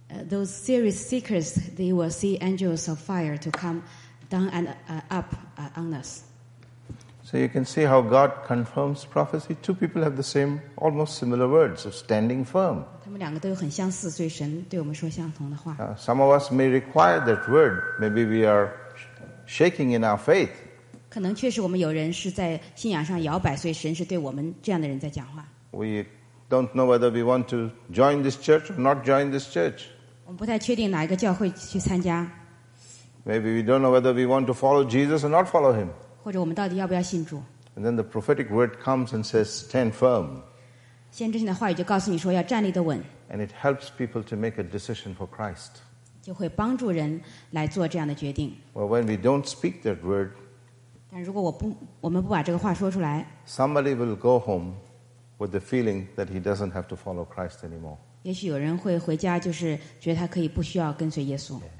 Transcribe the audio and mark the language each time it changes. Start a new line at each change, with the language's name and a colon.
English: Those serious seekers, they will see angels of fire to come down and up on us. So you can see how God confirms prophecy. Two people have the same, almost similar words of standing firm.
Chinese: 他们两个都有很相似，所以神对我们说相同的话。
English: Some of us may require that word. Maybe we are shaking in our faith.
Chinese: 可能确实我们有人是在信仰上摇摆，所以神是对我们这样的人在讲话。
English: We don't know whether we want to join this church or not join this church.
Chinese: 我们不太确定哪一个教会去参加。
English: Maybe we don't know whether we want to follow Jesus or not follow him.
Chinese: 或者我们到底要不要信主。
English: And then the prophetic word comes and says, stand firm.
Chinese: 先知性的话语就告诉你说要站立得稳。
English: And it helps people to make a decision for Christ.
Chinese: 就会帮助人来做这样的决定。
English: Well, when we don't speak that word,
Chinese: 但如果我们不把这个话说出来，
English: somebody will go home with the feeling that he doesn't have to follow Christ anymore.
Chinese: 也许有人会回家，就是觉得他可以不需要跟随耶稣。